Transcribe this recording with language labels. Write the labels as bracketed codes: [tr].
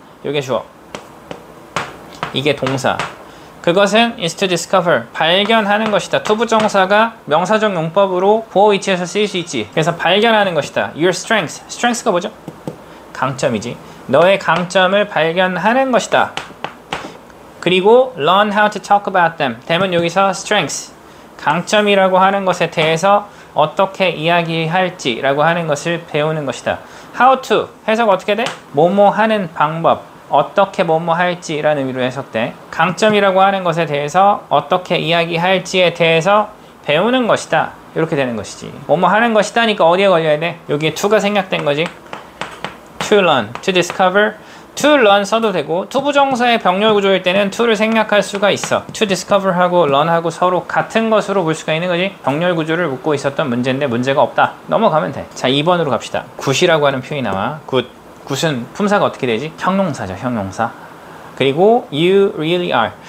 [ko] 이게 주어, 이게 동사. 그것은 [en] is to discover, [ko] 발견하는 것이다. 투부정사가 명사적 용법으로 보호 위치에서 쓰일 수 있지. 그래서 발견하는 것이다. Your strength. strength가 뭐죠? 강점이지. 너의 강점을 발견하는 것이다. [en] 그리고 learn how to talk about them. [ko] them은 여기서 strength, 강점이라고 하는 것에 대해서 어떻게 이야기할지 라고 하는 것을 배우는 것이다. how to, 해석 어떻게 돼? 뭐뭐 하는 방법, 어떻게 뭐뭐 할지 라는 의미로 해석돼. 강점이라고 하는 것에 대해서 어떻게 이야기할지에 대해서 배우는 것이다. 이렇게 되는 것이지. 뭐뭐 하는 것이다 니까 어디에 걸려야 돼? 여기에 to가 생략된 거지. [en] to learn, to discover. [ko] to learn 써도 되고, to 부정사의 병렬구조일 때는 to를 생략할 수가 있어. to discover 하고 learn 하고 서로 같은 것으로 볼 수가 있는 거지. 병렬구조를 묻고 있었던 문제인데 문제가 없다. 넘어가면 돼. 자, 2번으로 갑시다. good이라고 하는 표현이 나와. [en] good. [ko] 굿은 품사가 어떻게 되지? 형용사죠, 형용사. [en] 그리고 you really are.